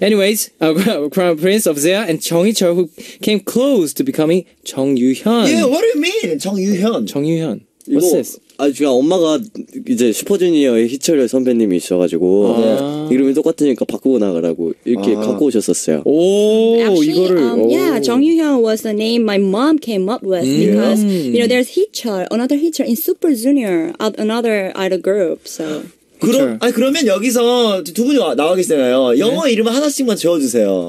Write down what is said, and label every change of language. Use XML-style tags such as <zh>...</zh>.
<en>Anyways, crown prince of 재아 and 정희철 who came close to becoming 정유현. Yeah, what do you mean, 정유현? 정유현. What's this?</en> <ko>아, 제가 엄마가 이제 슈퍼주니어의 희철 선배님이 있어가지고 이름이 똑같으니까 바꾸고 나가라고 이렇게 갖고 오셨었어요. 오,</ko> <en>actually,</en> <ko>이거를.</ko> <en>Yeah, 정유현 was the name my mom came up with because you know there's 희철, another 희철 in Super Junior of another idol group. So.</en> <ko>그럼 아니 그러면 여기서 두 분이 나와 계시잖아요. 네? 영어 이름 하나씩만 지어주세요.</ko>